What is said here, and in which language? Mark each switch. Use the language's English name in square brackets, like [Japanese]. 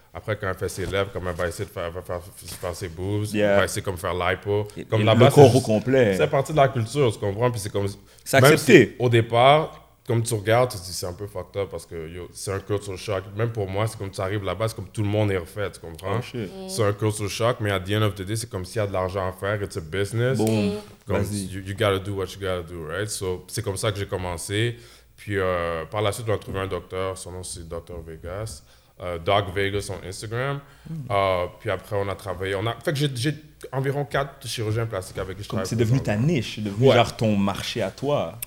[French] Après, quand elle fait ses lèvres, comme elle va essayer de faire ses boobs, elle va essayer comme faire l'hypo. Comme là-bas, le corps au complet. C'est partie de la culture, tu comprends? Puis c'est comme... C'est accepté. Si, au départ, comme tu regardes, tu te dis, c'est un peu fucked up parce que c'est un culture shock. Même pour moi, c'est comme tu arrives là-bas, c'est comme tout le monde est refait, tu comprends? [English] Oh, shit. [French] Mm. C'est un culture shock, mais [English] at the end of the day, [French] c'est comme s'il y a de l'argent à faire, [English] it's a business. Boom. Mm. Comme, you gotta do what you gotta do, right? [French] So, c'est comme ça que j'ai commencé. Puis par la suite, on a trouvé un docteur, son nom c'est Dr. Vegas. Doc Vegas sur Instagram. Mm. Puis après, on a travaillé. Fait que j'ai environ 4 chirurgiens plastiques avec qui je travaille. C'est devenu ta niche, c'est devenu genre ton marché à toi.